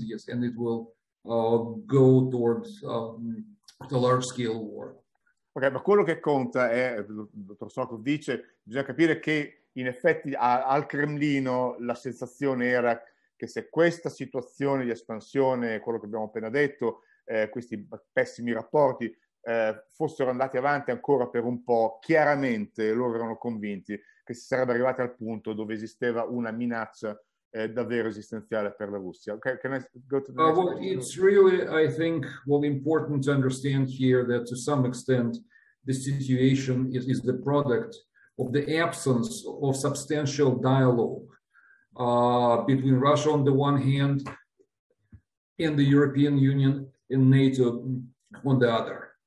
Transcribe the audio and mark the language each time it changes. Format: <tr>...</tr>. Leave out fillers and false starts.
<en>Yes, and it will go towards the large scale war.</en> <it>Okay, ma quello che conta è, dottor Sokov dice, bisogna capire che in effetti al Cremlino la sensazione era che se questa situazione di espansione, quello che abbiamo appena detto, questi pessimi rapporti fossero andati avanti ancora per un po', chiaramente loro erano convinti che si sarebbe arrivati al punto dove esisteva una minaccia davvero esistenziale per la Russia.</it> <en>Okay, can I go to the next Well, question? It's really, I think, well, important to understand here that to some extent the situation is the product of the absence of substantial dialogue between Russia on the one hand and the European Union and NATO on the other.</en>